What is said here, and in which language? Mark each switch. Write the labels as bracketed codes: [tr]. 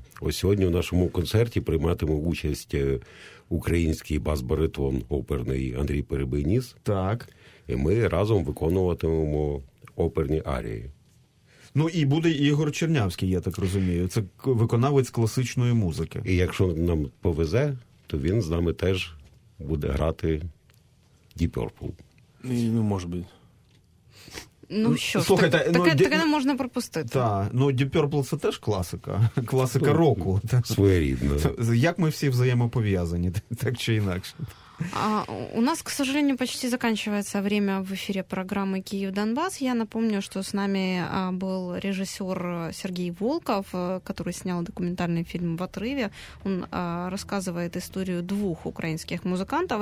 [uk] Ось сьогодні в нашому концерті прийматиме участь український бас-баритон оперний Андрій Перебийніс. Так. І ми разом виконуватимемо оперні арії. Ну, і буде Ігор Чернявський, я так розумію. Це виконавець класичної музики. І якщо нам повезе, то він з нами теж буде грати Deep Purple. Ну, може бути. Ну, що ж, таке не можна пропустити. Так, ну, Deep Purple — це теж класика. Класика року. Своєрідно. Як ми всі взаємопов'язані, так чи інакше. [ru] А у нас, к сожалению, почти заканчивается время в эфире программы «Киев-Донбасс». Я напомню, что с нами был режиссер Сергей Волков, который снял документальный фильм «В отрыве». Он рассказывает историю двух украинских музыкантов.